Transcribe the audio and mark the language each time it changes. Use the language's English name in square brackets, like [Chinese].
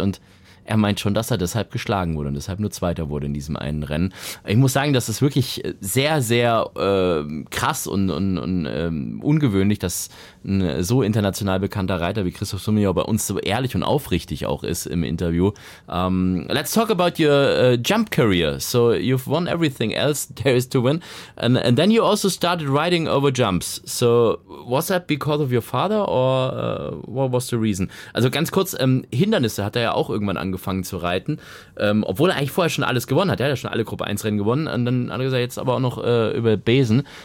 [German] Und er meint schon, dass er deshalb geschlagen wurde und deshalb nur Zweiter wurde in diesem einen Rennen. Ich muss sagen, das ist wirklich sehr, sehr krass und ungewöhnlich, dass ein so international bekannter Reiter wie Christoph Sumiyor bei uns so ehrlich und aufrichtig auch ist im Interview. [English] Let's talk about your jump career. So you've won everything else there is to win. And then you also started riding over jumps. So was that because of your father or what was the reason? [German] Also ganz kurz, Hindernisse hat er ja auch irgendwann angefangen zu reiten, obwohl er eigentlich vorher schon alles gewonnen hat. Er hat ja schon alle Gruppe 1 Rennen gewonnen und dann hat er gesagt, jetzt aber auch noch über Besen.